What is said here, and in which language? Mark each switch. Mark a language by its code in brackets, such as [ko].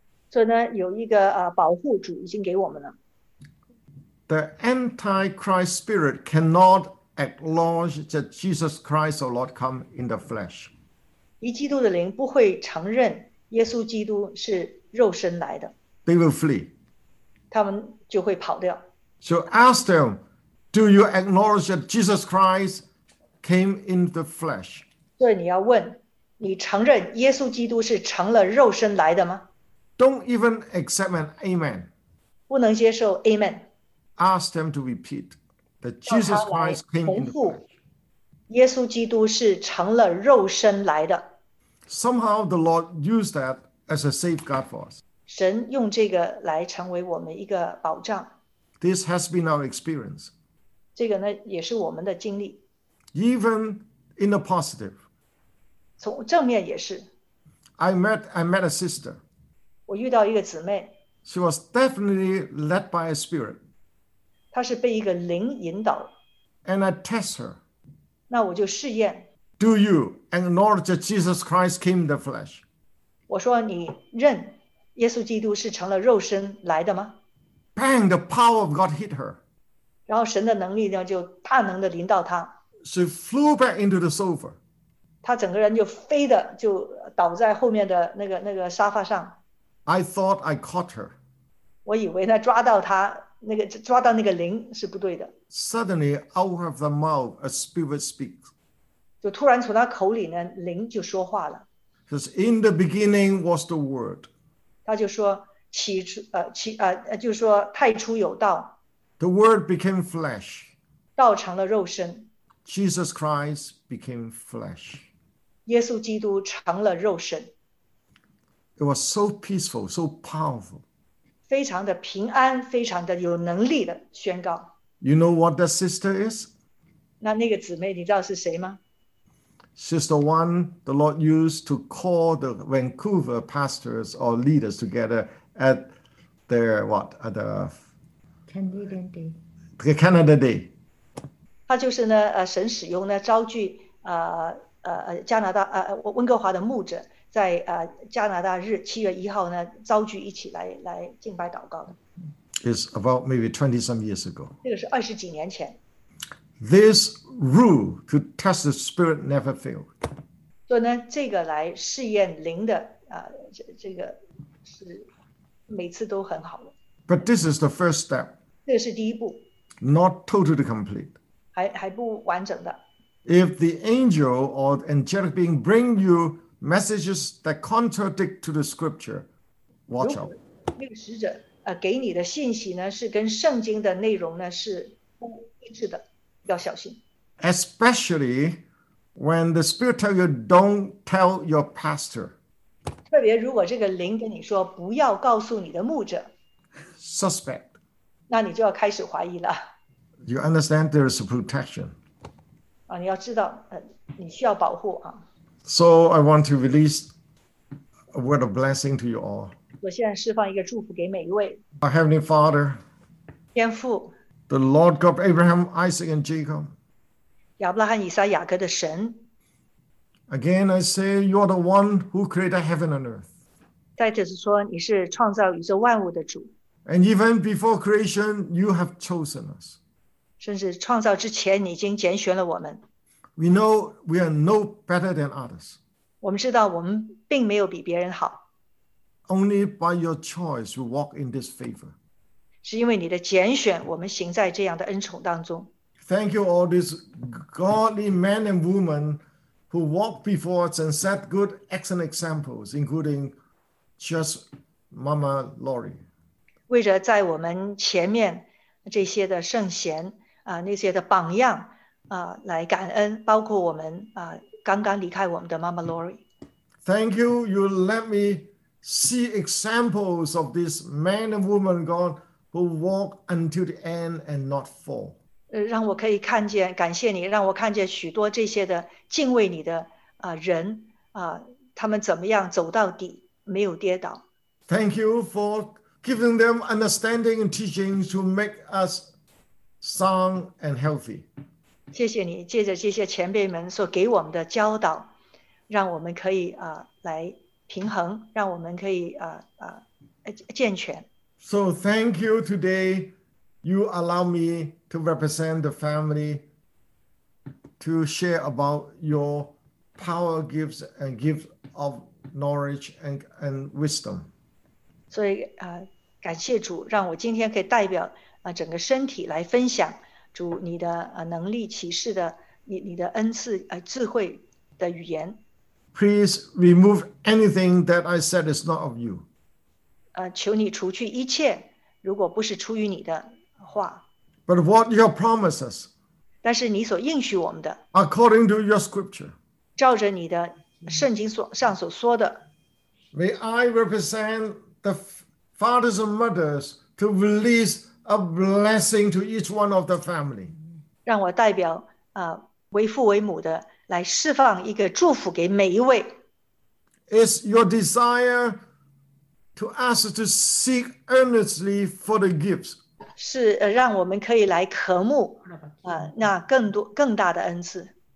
[zh] 所以呢，有一个保护主已经给我们了。 [en] The Antichrist spirit cannot acknowledge that Jesus Christ, our Lord, come in the flesh. [zh] 敌基督的灵不会承认耶稣基督是肉身来的。 [en] They will flee. [zh] 他们就会跑掉。 [en] So ask them, do you acknowledge that Jesus Christ came in the flesh? [zh] 对，你要问，你承认耶稣基督是成了肉身来的吗？ [en] Don't even accept an amen. [zh] 不能接受 amen. [en] Ask them to repeat that Jesus Christ came in the flesh. [zh] 耶稣基督是成了肉身来的。 [en] Somehow the Lord used that as a safeguard for us. [zh] 神用这个来成为我们一个保障。 [en] This has been our experience. [zh] 这个呢也是我们的经历。 [en] Even in the positive. [zh] 从正面也是。 [en] I met a sister. [zh] 我遇到一个姊妹。 [en] She was definitely led by a spirit. [zh] 她是被一个灵引导。 [en] And I test her. [zh] 那我就试验。 [en] Do you acknowledge that Jesus Christ came in the flesh? [zh] 我说你认耶稣基督是成了肉身来的吗？ [en] Bang, the power of God hit her. [zh] 然后神的能力呢就大能的临到她。 [en] She flew back into the sofa. [zh] 她整个人就飞的就倒在后面的那个沙发上。 [en] I thought I caught her. [zh] 我以为呢抓到她那个抓到那个灵是不对的。 [en] Suddenly, out of the mouth, a spirit speaks. [zh] 就突然从她口里呢灵就说话了。 [en] Because in the beginning was the word. [zh] 她就说就是说太初有道。 [en] The word became flesh. [zh] 道成了肉身。 [en] Jesus Christ became flesh. [zh] 耶稣基督成了肉身。 [en] It was so peaceful, so powerful. [zh] 非常的平安，非常的有能力的宣告。 [en] You know what that sister is? [zh] 那个姊妹你知道是谁吗？ [en] Sister one, the Lord used to call the Vancouver pastors or leaders together at their, what, at the... Canada Day. Canada Day. [zh] 他就是呢，神使用呢，召聚加拿大温哥华的牧者，在加拿大日7月1号呢，召聚一起来敬拜祷告。 [en] It's about maybe 20 some years ago. [zh] 这个是20几年前。 [en] This rule to test the spirit never failed. [zh] 所以呢，这个来试验灵的这个是每次都很好的。 [en] But this is the first step. [zh] 这是第一步。 [en] Not totally complete. [zh] 还不完整的。 [en] If the angel or angelic being bring you messages that contradict to the scripture, watch out. [zh] 那个使者给你的信息呢是跟圣经的内容呢是不一致的，要小心。 [en] Especially when the spirit tell you don't tell your pastor. [zh] 特别如果这个灵跟你说不要告诉你的牧者。 [en] Suspect. [zh] 那你就要开始怀疑了。 [en] You understand there is a protection. [zh] 你要知道，你需要保护啊。 [en] So I want to release a word of blessing to you all. [zh] 我现在释放一个祝福给每一位。 [en] Our Heavenly Father. [zh] 天父。 [en] The Lord God of Abraham, Isaac, and Jacob. [zh] 亚伯拉罕、以撒、雅各的神。 [en] Again, I say you are the one who created heaven and earth. [zh] 再就是说，你是创造宇宙万物的主。 [en] And even before creation, you have chosen us. [zh] 甚至创造之前，你已经拣选了我们。 [en] We know we are no better than others. [zh] 我们知道我们并没有比别人好。 [en] Only by your choice we walk in this favor. [zh] 是因为你的拣选，我们行在这样的恩宠当中。 [en] Thank you all these godly men and women who walked before us and set good, excellent examples, including just Mama Lori. [zh] 为着在我们前面这些的圣贤。那些的榜样来感恩，包括我们刚刚离开我们的 Mama Lori。 [en] Thank you. You let me see examples of this man and woman God who walk until the end and not fall. [zh] 让我可以看见，感谢你，让我看见许多这些的敬畏你的人他们怎么样走到底，没有跌倒。 [en] Thank you for giving them understanding and teaching to make us. Sound and healthy. [zh] 谢谢你借着这些前辈们所给我们的教导，让我们可以来平衡，让我们可以健全。 [en] So thank you today. You allow me to represent the family to share about your power gifts and gifts of knowledge and wisdom. [zh] 所以感谢主，让我今天可以代表。整个身体来分享主你的能力启示的你的恩赐智慧的语言。 [en] Please remove anything that I said is not of you. [zh] 求你除去一切如果不是出于你的话。 [en] But what your promises? [zh] 但是你所应许我们的。 [en] According to your scripture. [zh] 照着你的圣经上所说的。 [en] May I represent the fathers and mothers to release. A blessing to each one of the family. [zh] 让我代表为父为母的来释放一个祝福给每一位。 [en] It's your desire to ask to seek earnestly for the gifts. [zh] 是让我们可以来渴慕那更多更大的恩赐